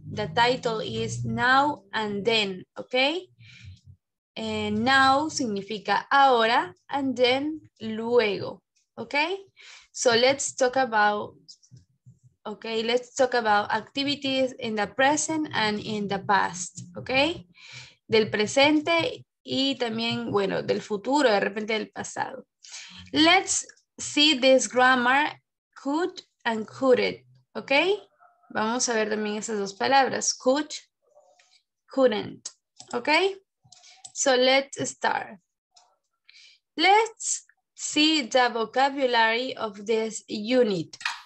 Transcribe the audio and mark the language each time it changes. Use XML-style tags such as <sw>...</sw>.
<en>The title is Now and Then, okay? And now</en> <es>significa ahora,</es> <en>and then</en> <es>luego,</es> <en>okay? So let's talk about, okay, let's talk about activities in the present and in the past, okay?</en> <es>Del presente y también, bueno, del futuro, de repente del pasado.</es> <en>Let's see this grammar, could and couldn't, okay?</en> <es>Vamos a ver también esas dos palabras, could, couldn't, okay?</es> <en>So let's start. Let's see the vocabulary of this unit.</en>